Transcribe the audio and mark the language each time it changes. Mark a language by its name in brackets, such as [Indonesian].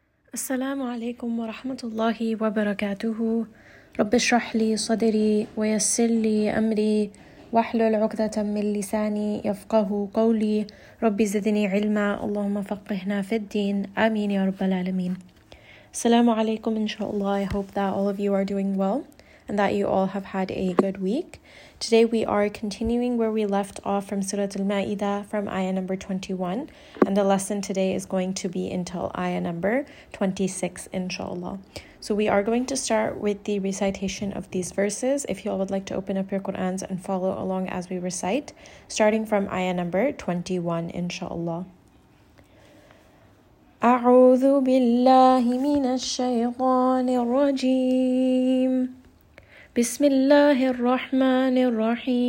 [Arabic] السلام عليكم ورحمة الله وبركاته. رب اشرح لي صدري ويسر لي أمري واحلل عقدة من لساني يفقه قولي. رب زدني علما، اللهم فقهنا في الدين، آمين يا رب العالمين. السلام عليكم. إن شاء الله [English] I hope that all of you are doing well and that you all have had a good week. Today we are continuing where we left off from Surah Al-Ma'idah from ayah number 21. And the lesson today is going to be until ayah number 26, inshallah. So we are going to start with the recitation of these verses. If you all would like to open up your Qur'ans and follow along as we recite, starting from ayah number 21, inshallah. [Arabic] أعوذ بالله من الشيطان الرجيم. بسم الله الرحمن الرحيم.